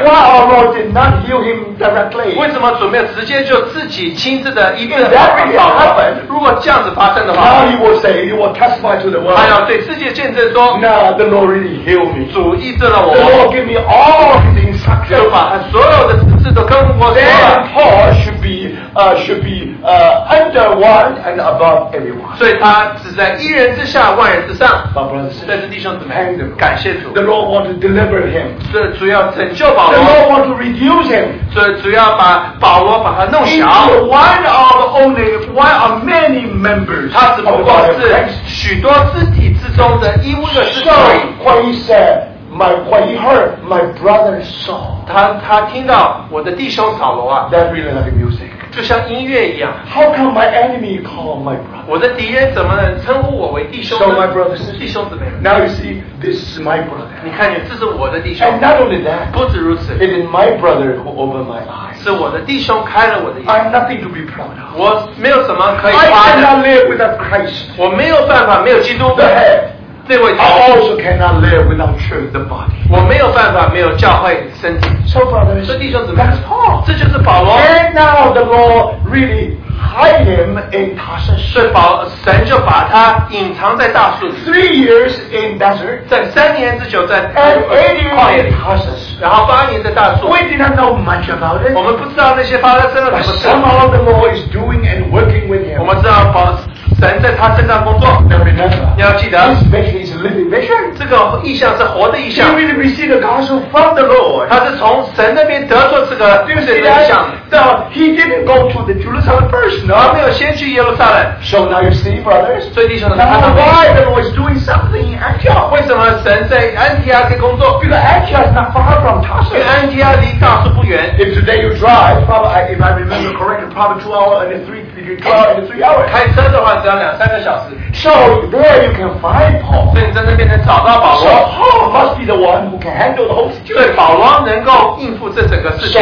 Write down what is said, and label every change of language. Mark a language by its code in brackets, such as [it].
[en] ，Why our Lord did not heal him directly？ [zh] 为什么主没有直接就自己亲自的医治他 [en] ？Happened， [zh] 如果这样子发生的话 [en] ，Now he will say he will testify to the world。 [zh] 他要对世界见证说 [en] ，Now the Lord really healed me。 [zh] 主医治了我。 [en] The Lord give me all of his instructions。 [zh] 就把他所有的指示都跟我说了。 [en] Then Paul should be under one and above everyone. [zh] 所以他只在一人之下，万人之上。 [en] But brothers, [zh] 但是弟兄姊妹，感谢主。 [en] The Lord want to deliver him. [zh] 所以主要拯救保罗。 [en] The Lord want to reduce him. [zh] 所以主要把保罗把他弄小。 [en] Into one of only one of many members. [zh] 他只不过是许多肢体之中的一物的肢体。 [en] So what he said, what he heard, my brother saw. [zh] 他听到我的弟兄扫罗啊。 [en] That really like music. [zh] 就像音乐一样。 [en] How come my enemy call my brother? [zh] 我的敌人怎么能称呼我为弟兄呢 [en] ？So my brother, [zh] 弟兄姊妹。 [en] Now you see, this is my brother. [zh] 你看见这是我的弟兄。 [en] And not only that, [zh] 不止如此。 [en] It is my brother who opened my eyes. [zh] 是我的弟兄开了我的眼。 [en] I have nothing to be proud of. [zh] 我没有什么可以夸的。 [en] I cannot live without Christ. [zh] 我没有办法没有基督。 [en] The head. [zh] 这位 [en] I also cannot live without church, the body. [zh] 我没有办法没有教会身体。 [en] So brothers, [zh] 所以弟兄姊妹 [en] ，That's Paul. [zh] 这就是保罗。 [en] And now the Lord really hide him in Tarsus. [zh] 所以保神就把他隐藏在大树。 [en] 3 years in desert. [zh] 在三年之久在旷野里。 [en] And 8 years in Tarsus. [zh] 然后八年在大树。 [en] We did not know much about it. [zh] 我们不知道那些发生了什么事。 [en] But somehow the Lord is doing and working with him. [zh] 我们知道保。神在他身上工作。 [en] Remember, [zh] 你要记得 [en] ，His vision is living vision. [zh] 这个意象是活的意象。 [en] He really received the gospel from the Lord. [zh] 他是从神那边得着这个真实的意象。 [en] So he didn't go to the Jerusalem first. [zh] 他没有先去耶路撒冷。 [en] So now you see, brothers. [zh] 所以弟兄们，看到 [en] why the Lord is doing something in Antioch? [zh] 为什么神在安提阿在工作 [en] ？Because Antioch is not far from Tarsus. [zh] 因为安提阿离大使不远。 [en] If today you drive, probably if I remember correctly, probably 2 hours and 3 hours. [zh] 开车的话。 [en] So there you can find Paul. [zh] 所以你在那边能找到保罗。 [en] So Paul must be the one who can handle the whole situation. [zh] 对，保罗能够应付这整个事情。